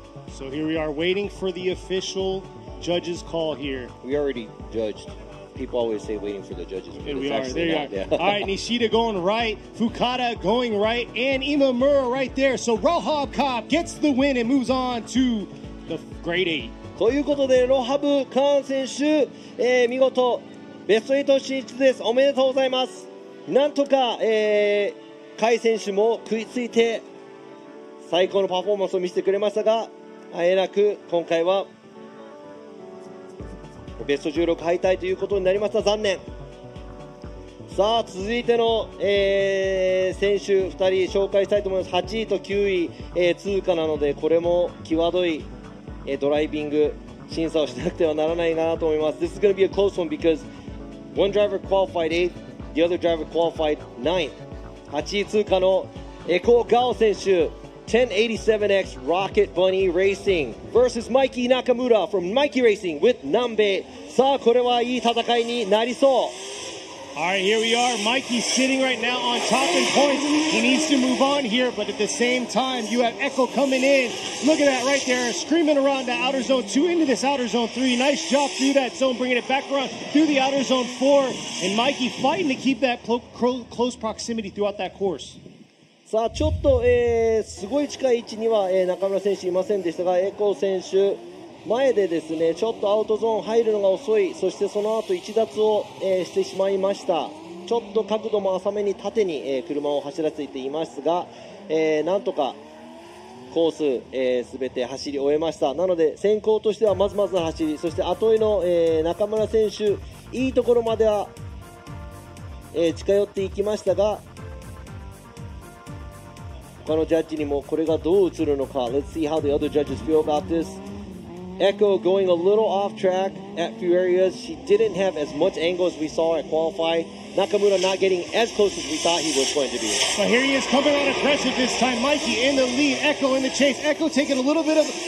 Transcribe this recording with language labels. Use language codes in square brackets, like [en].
[en] So here we are waiting for the official judge's call here. We already judged. People always say waiting for the judges. Here we are. There you are. Yeah. All right, Nishida going right, Fukada going right, and Imamura right there. So Rohab Cobb gets the win and moves on to... The grade 8. [ja] ということでロハブ・カーン選手、見事ベスト8進出です。おめでとうございます。なんとか、カイ選手も食いついて最高のパフォーマンスを見せてくれましたが、あえなく今回はベスト16敗退ということになりました。残念。さあ続いての、選手2人紹介したいと思います。8位と9位、通過なのでこれも際どいドライビング審査をしなくてはならないかなと思います。 [en] This is going to be a close one because one driver qualified 8th, the other driver qualified 9th. [ja] 8位通過のエコー・ガオ選手 1087X Rocket Bunny Racing versus Mikey Nakamura from Mikey Racing with Nambe. さあこれはいい戦いになりそう。 [en] All right, here we are. Mikey's sitting right now on top in points. He needs to move on here, but at the same time, you have Echo coming in. Look at that right there, screaming around the outer zone two into this outer zone three. Nice job through that zone, bringing it back around through the outer zone four. And Mikey fighting to keep that close proximity throughout that course. [ja] さあ、ちょっと、すごい近い位置には、中村選手いませんでしたが、Echo 選手。前でですねちょっとアウトゾーン入るのが遅い、そしてその後逸脱を、してしまいました。ちょっと角度も浅めに縦に、車を走らせていますが、なんとかコース、全て走り終えました。なので先行としてはまずまずの走り、そして後追いの、中村選手いいところまでは、近寄っていきましたが、他のジャッジにもこれがどう映るのか。 [en] Let's see how the other judges feel about thisEcho going a little off track at few areas. She didn't have as much angle as we saw at qualify. Nakamura not getting as close as we thought he was going to be. So here he is coming out aggressive this time. Mikey in the lead. Echo in the chase. Echo taking a little bit of